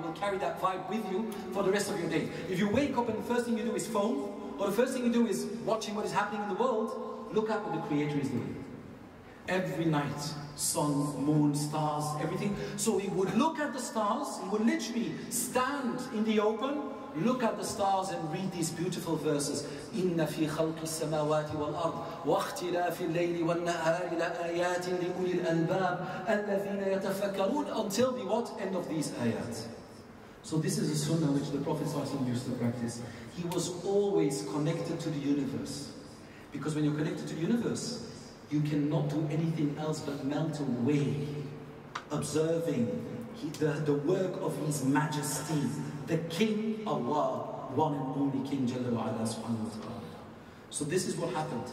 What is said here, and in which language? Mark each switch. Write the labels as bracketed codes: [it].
[en] You will carry that vibe with you for the rest of your day. If you wake up and the first thing you do is phone, or the first thing you do is watching what is happening in the world, look at what the Creator is doing. Every night, sun, moon, stars, everything. So he would look at the stars, he would literally stand in the open, look at the stars and read these beautiful verses. [ar] إِنَّ فِي خَلْقِ السَّمَاوَاتِ وَالْأَرْضِ وَاخْتِلَافِ اللَّيْلِ وَالنَّهَارِ لَآيَاتٍ لِأُولِي الْأَلْبَابِ الَّذِينَ يَتَفَكَّرُونَ [en] Until the what? End of these ayat. So this is a sunnah which the Prophet ﷺ used to practice. He was always connected to the universe. Because when you're connected to the universe, you cannot do anything else but melt away, observing the work of His Majesty, the King Allah, one and only King Jalla wa'ala subhanahu wa ta'ala. So this is what happened.